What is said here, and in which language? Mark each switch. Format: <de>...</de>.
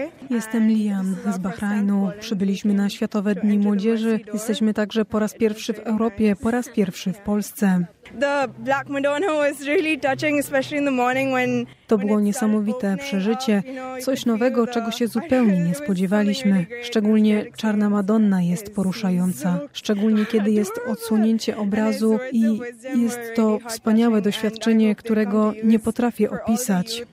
<pl>Jestem Liam z Bahrajnu. Przybyliśmy na Światowe Dni Młodzieży. Jesteśmy także po raz pierwszy w Europie, po raz pierwszy w Polsce.</pl> <en>The Black Madonna was really touching, especially in the morning when.</en> <pl>To było niesamowite przeżycie, coś nowego, czego się zupełnie nie spodziewaliśmy. Szczególnie Czarna Madonna jest poruszająca, szczególnie kiedy jest odsłonięcie obrazu i jest to wspaniałe doświadczenie, którego nie potrafię opisać.</pl>